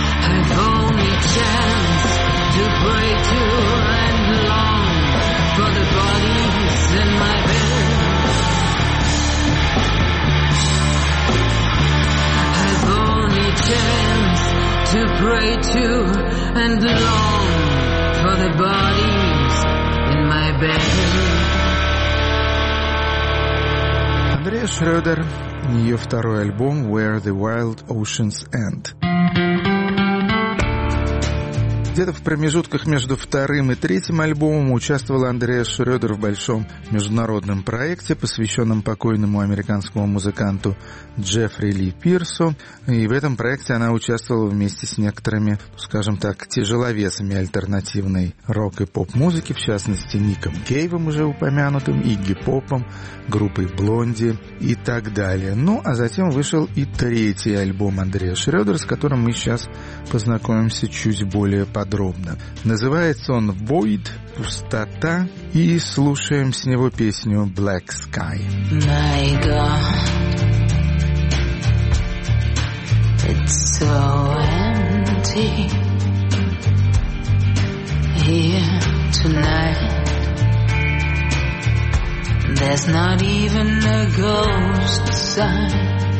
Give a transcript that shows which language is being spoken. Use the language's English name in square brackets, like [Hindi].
[English] I've only chance to pray to and long for the bodies in my bed. I've only chance to pray to and long for the bodies in my bed. [Russian] Андреа Шрёдер, ее второй альбом «Where the Wild Oceans End». Где-то в промежутках между вторым и третьим альбомом участвовала Андреа Шрёдер в большом международном проекте, посвященном покойному американскому музыканту Джеффри Ли Пирсу. И в этом проекте она участвовала вместе с некоторыми, скажем так, тяжеловесами альтернативной рок- и поп-музыки, в частности, Ником Кейвом, уже упомянутым, Игги Попом, группой Блонди и так далее. Ну, а затем вышел и третий альбом Андреа Шрёдер, с которым мы сейчас познакомимся чуть более подробно. подробно. Называется он «Void», «Пустота», и слушаем с него песню «Black Sky». [English] My God, it's so empty here tonight. There's not even a ghost sign.